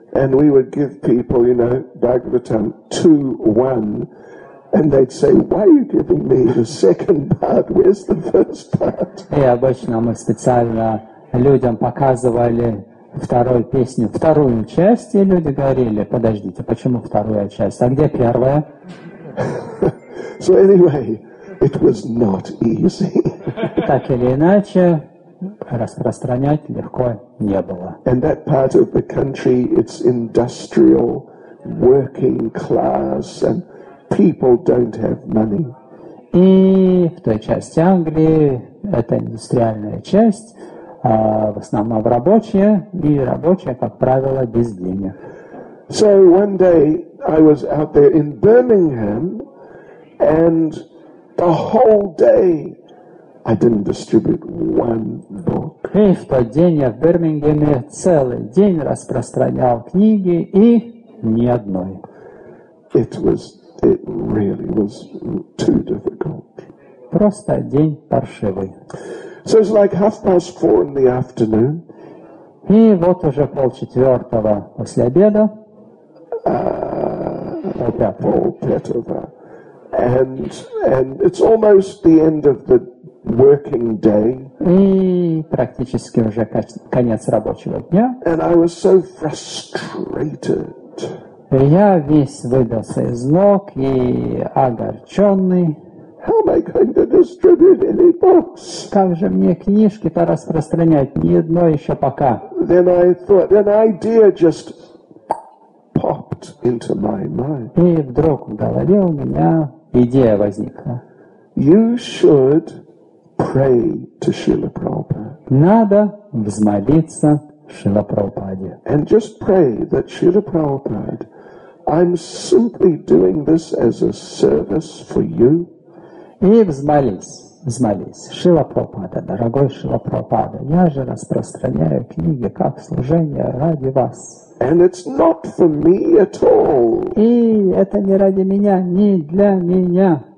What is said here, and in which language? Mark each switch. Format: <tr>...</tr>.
<en>And we would give people, you know, Bhagavatam 2.1, and they'd say, why are you giving me the second part? Where's the first part?</en> <ru>И обычно мы специально людям показывали вторую песню, вторую часть, и люди говорили, подождите, почему вторая часть, а где первая?</ru> <en>So anyway, it was not easy.</en> <ru>Так или иначе, распространять легко не было.</ru> <en>And that part of the country, it's industrial, working class, and people don't have money.</en> <ru>И в той части Англии, это индустриальная часть, в основном рабочие, и рабочие, как правило, без денег.</ru> <en>So one day I was out there in Birmingham, and the whole day I didn't distribute one book.</en> <ru>И в тот день я в Бирмингеме целый день распространял книги, и ни одной.</ru> <en>It really was too difficult.</en> <ru>Просто день паршивый.</ru> <en>So it's like 4:30 in the afternoon.</en> <ru>И вот уже 4:30 после обеда.</ru> <en>And it's almost the end of the working day.</en> <ru>И практически уже конец рабочего дня.</ru> <en>And I was so frustrated.</en> <ru>Я весь выбился из ног и огорченный.</ru> <en>How am I going to distribute any books?</en> <ru>Как же мне книжки-то распространять? Ни одной еще пока.</ru> <en>Then I thought, an idea just popped into my mind.</en> <ru>И вдруг в голове у меня идея возникла.</ru> <en>You should pray to Srila Prabhupada.</en> <ru>Надо взмолиться Шрила Прабхупаде.</ru> <en>And just pray that Srila Prabhupada, I'm simply doing this as a service for you.</en> <ru>И взмолись, Шрила Прабхупада, дорогой Шрила Прабхупада, я же распространяю книги как служение ради вас.</ru> <en>And it's not for me at all.</en> <ru>И это не ради меня, не для меня.</ru>